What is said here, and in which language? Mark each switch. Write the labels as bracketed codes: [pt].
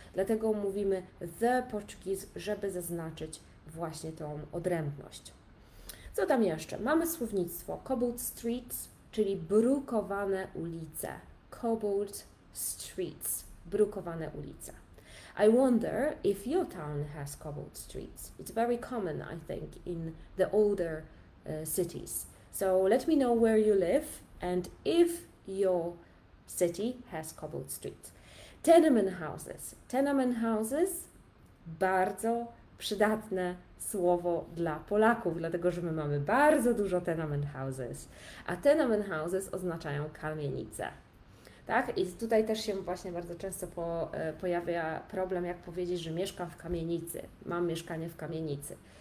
[pl] Dlatego mówimy the Portuguese, żeby zaznaczyć właśnie tą odrębność. Co tam jeszcze? Mamy słownictwo cobbled streets, czyli brukowane ulice. [en] Cobbled streets, [pl] brukowane ulice. [en] I wonder if your town has cobbled streets. It's very common, I think, in the older cities. So let me know where you live and if your city has cobbled streets. Tenement houses, [pl] bardzo przydatne słowo dla Polaków, dlatego że my mamy bardzo dużo tenement houses, a tenement houses oznaczają kamienice. Tak? I tutaj też się właśnie bardzo często pojawia problem, jak powiedzieć, że mieszkam w kamienicy, mam mieszkanie w kamienicy.